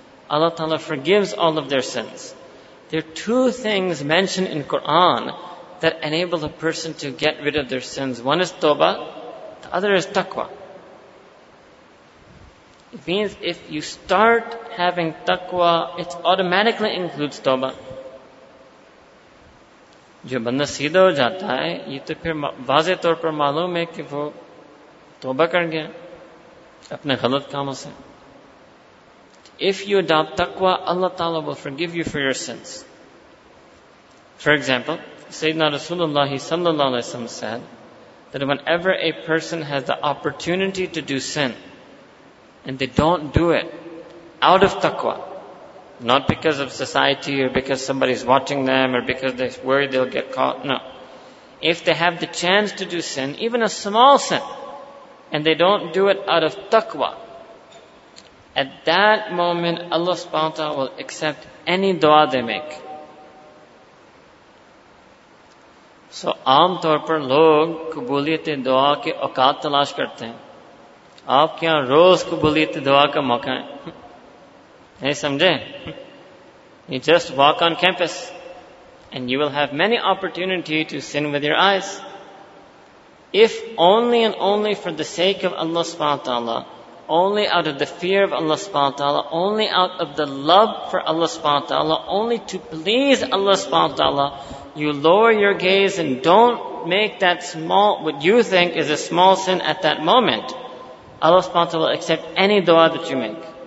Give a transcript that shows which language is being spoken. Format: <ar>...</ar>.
<en>Allah ta'ala forgives all of their sins. There are two things mentioned in Quran that enable a person to get rid of their sins. One is tawbah, the other is taqwa. It means if you start having taqwa, it automatically includes tawbah.</en> <ur>جو بندہ سیدھا ہو جاتا ہے یہ تو پھر واضح طور پر معلوم ہے کہ وہ توبہ کر گیا اپنے غلط کاموں سے.</ur> <en>If you adopt taqwa, Allah Ta'ala will forgive you for your sins. For example, سیدنا رسول اللہ صلی اللہ علیہ وسلم said that whenever a person has the opportunity to do sin and they don't do it out of taqwa, not because of society or because somebody's watching them or because they're worried they'll get caught. No. If they have the chance to do sin, even a small sin, and they don't do it out of taqwa, at that moment Allah subhanahu wa ta'ala will accept any dua they make.</en> <ur>So, عام طور پر لوگ قبولیت دعا کے اوقات تلاش کرتے ہیں. آپ کے یہاں روز قبولیت دعا کا موقع ہے.</ur> <en>Hey, Samjhe, you just walk on campus and you will have many opportunity to sin with your eyes. If only and only for the sake of Allah subhanahu wa ta'ala, only out of the fear of Allah subhanahu wa ta'ala, only out of the love for Allah subhanahu wa ta'ala, only to please Allah subhanahu wa ta'ala, you lower your gaze and don't make that small, what you think is a small sin at that moment, Allah subhanahu wa ta'ala will accept any dua that you make.</en>